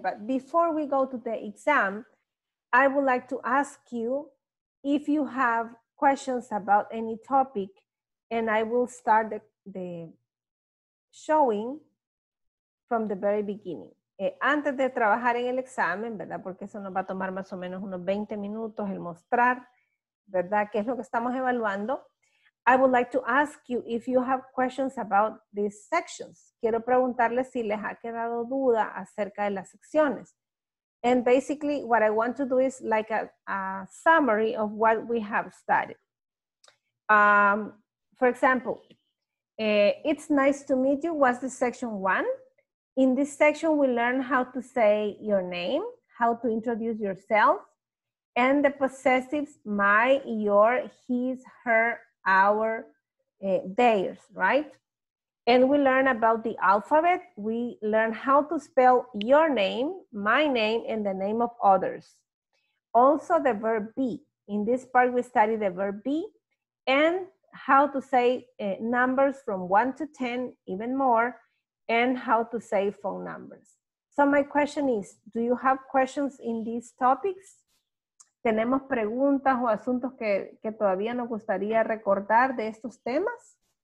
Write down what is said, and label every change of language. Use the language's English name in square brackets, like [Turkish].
[English] But before we go to the exam, I would like to ask you if you have questions about any topic, and I will start the showing from the very beginning. [Spanish] Antes de trabajar en el examen, ¿verdad? Porque eso nos va a tomar más o menos unos 20 minutos, el mostrar, ¿verdad? ¿Qué es lo que estamos evaluando? [English] I would like to ask you if you have questions about these sections. [Spanish] Quiero preguntarles si les ha quedado duda acerca de las secciones. [English] And basically, what I want to do is like a summary of what we have studied. For example, it's nice to meet you was the section one. In this section, we learn how to say your name, how to introduce yourself, and the possessives my, your, his, her, our, theirs, right? And we learn about the alphabet. We learn how to spell your name, my name, and the name of others. Also the verb be. In this part, we study the verb be and how to say numbers from 1 to 10, even more, and how to say phone numbers. So my question is, do you have questions in these topics? [Spanish] ¿Tenemos preguntas o asuntos que todavía nos gustaría recordar de estos temas?